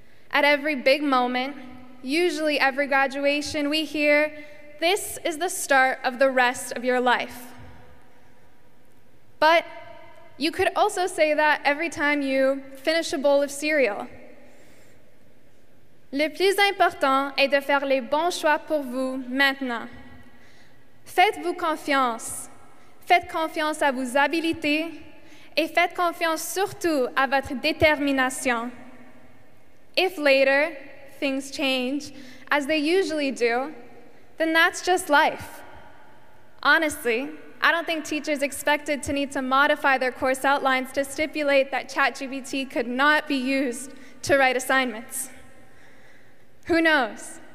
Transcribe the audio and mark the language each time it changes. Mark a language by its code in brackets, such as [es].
[en] At every big moment, usually every graduation, we hear, "This is the start of the rest of your life." But you could also say that every time you finish a bowl of cereal. [fr] Le plus important est de faire les bons choix pour vous maintenant. Faites-vous confiance. Faites confiance à vos habiletés et faites confiance surtout à votre détermination. [en] If later things change, as they usually do, then that's just life. Honestly, I don't think teachers expected to need to modify their course outlines to stipulate that ChatGPT could not be used to write assignments. Who knows?